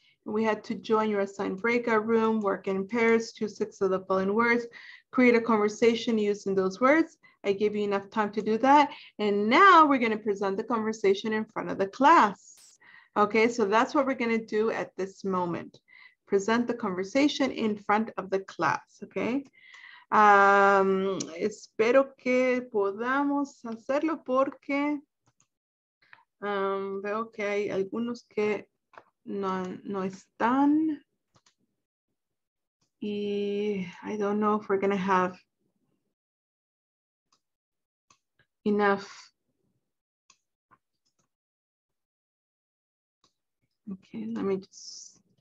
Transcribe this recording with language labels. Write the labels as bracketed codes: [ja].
[en] We had to join your assigned breakout room, work in pairs, choose six of the following words, create a conversation using those words. I gave you enough time to do that. And now we're gonna present the conversation in front of the class. Okay, so that's what we're gonna do at this moment. Present the conversation in front of the class, okay? [es] Espero que podamos hacerlo porque veo que hay algunos que no están. Y [en] I don't know if we're gonna have enough. Okay, let me just.